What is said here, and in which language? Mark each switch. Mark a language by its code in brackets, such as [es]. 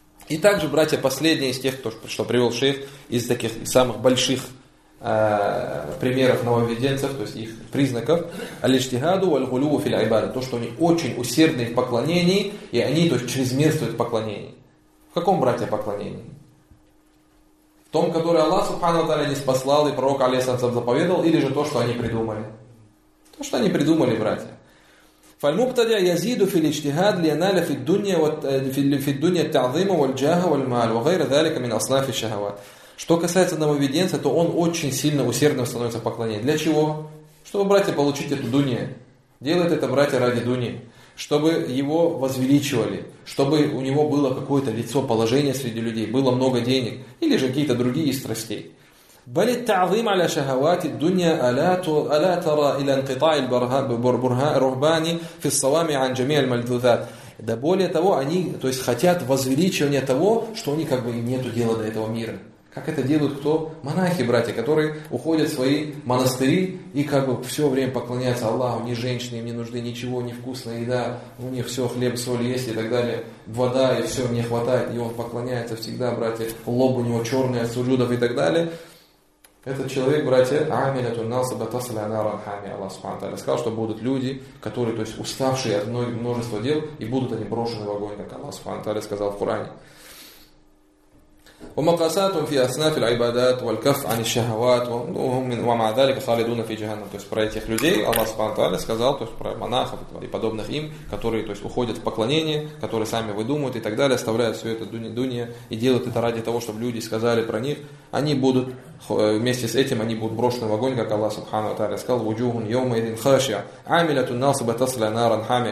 [ru] И также, братья, последние из тех, кто что привел шейх, из таких самых больших примеров нововведенцев, то есть их признаков, [ar] аль-иджтихаду валь-гулю филь-ибада, [ru] то, что они очень усердны в поклонении, и они, то есть, чрезмерствуют в поклонении. В каком, братья, поклонении? В том, который Аллах, субхана ва тааля, не спаслал, и пророк, алейхиссалям, заповедовал, или же то, что они придумали? То, что они придумали, братья. [ar] فالمبتدع يزيد في الاجتهاد لينال في الدنيا في الدنيا التعظيم والجاه والمال وغير ذلك من أصناف الشهوات. [ru] Что касается нововведенца, то он очень сильно усердно становится в поклонении. Для чего? Чтобы, братья, получить эту дунию. Делает это, братья, ради дунии. Чтобы его возвеличивали. Чтобы у него было какое-то лицо, положение среди людей. Было много денег. Или же какие-то другие страстей. [ar] بل التعظيم على شهوات الدنيا ألا ترى إلى انقطاع البرهان الرهباني في الصوامع عن جميع الملذات. [ru] Да более того, они, то есть, хотят возвеличивания того, что у них как бы нету дела до этого мира. Как это делают кто? Монахи, братья, которые уходят в свои монастыри и как бы все время поклоняются Аллаху, ни женщины, им не нужны ничего, ни вкусная еда, у них все, хлеб, соль есть и так далее, вода и все, мне хватает, и он поклоняется всегда, братья, лоб у него черный от суджудов и так далее. Этот человек, братья, [ar] амилятун насаба тасаля нара хами [ru] Аллах субхана ва тааля, сказал, что будут люди, которые, то есть, уставшие от множества дел, и будут они брошены в огонь, как Аллах субхана ва тааля сказал в Коране. [ar] ومقاساتهم في أصناف العبادات والكف عن الشهوات ومع ذلك خالدون في جهنم. [ru] То есть про этих людей Аллах Субхану Тааля сказал, то есть про монахов и подобных им, которые, то есть, уходят в поклонение, которые сами выдумывают и так далее, оставляют все это дуния и делают это ради того, чтобы люди сказали про них, они будут вместе с этим, они будут брошены в огонь, как Аллах Субхану Тааля сказал: [ar] وجوههم يومئذ خاشعة عاملة ناصبة تصلى نارا حامية.